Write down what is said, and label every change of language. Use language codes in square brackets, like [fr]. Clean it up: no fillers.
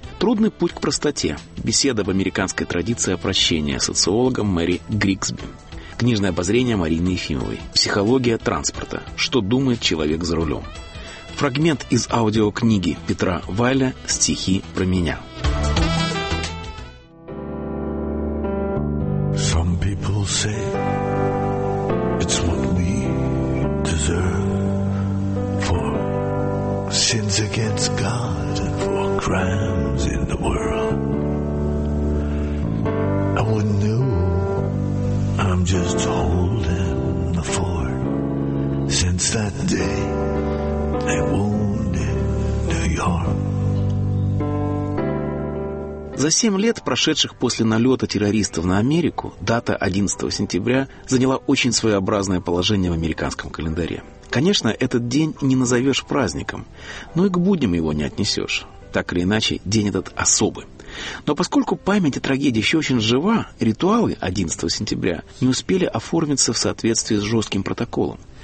[ru] «Трудный путь к простоте. Беседа в американской традиции прощения» социологом Мэри Григсби. Книжное обозрение Марины Ефимовой. «Психология транспорта. Что думает человек за рулем». Фрагмент из аудиокниги Петра Вайля «Стихи про меня». [en] Some people say it's what we deserve for sins against God and for crimes in the world. I wouldn't know, I'm just holding the fort since that day they wounded New York. [ru] За 7 лет, прошедших после налета террористов на Америку, дата 11 сентября заняла очень своеобразное положение в американском календаре. Конечно, этот день не назовешь праздником, но и к будням его не отнесешь. Так или иначе, день этот особый. Но поскольку память о трагедии еще очень жива, ритуалы 11 сентября не успели оформиться в соответствии с жестким протоколом.